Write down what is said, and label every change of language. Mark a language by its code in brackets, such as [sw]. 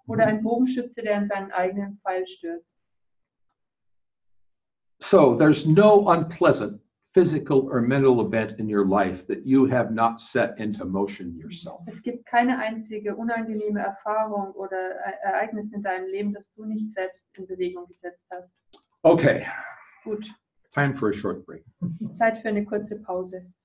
[de] Oder ein Bogenschütze, der in seinen eigenen Pfeil stürzt. [en] So there's no unpleasant physical or mental event in your life that you have not set into motion yourself. [de] Es gibt keine einzige unangenehme Erfahrung oder Ereignis in deinem Leben, das du nicht selbst in Bewegung gesetzt hast. [en] Okay. [de] Gut. [en] Time for a short break. [de] Zeit für eine kurze Pause.